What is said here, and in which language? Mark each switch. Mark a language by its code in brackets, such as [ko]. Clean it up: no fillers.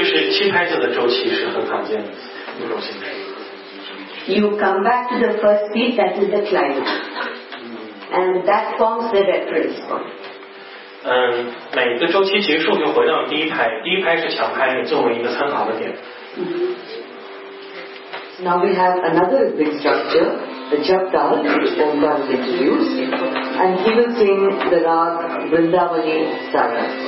[zh] 七拍子的周期是很罕见的那种形式。 [en] You come back to the first beat, that is the climax, and that forms the reference point. [zh] 每个周期结束就回到第一拍，第一拍是强拍，作为一个参考的点。 [en] Now we have another big structure, the Japtal, which Om Dhan will introduce, and he will sing the rag Vrindavani Sara.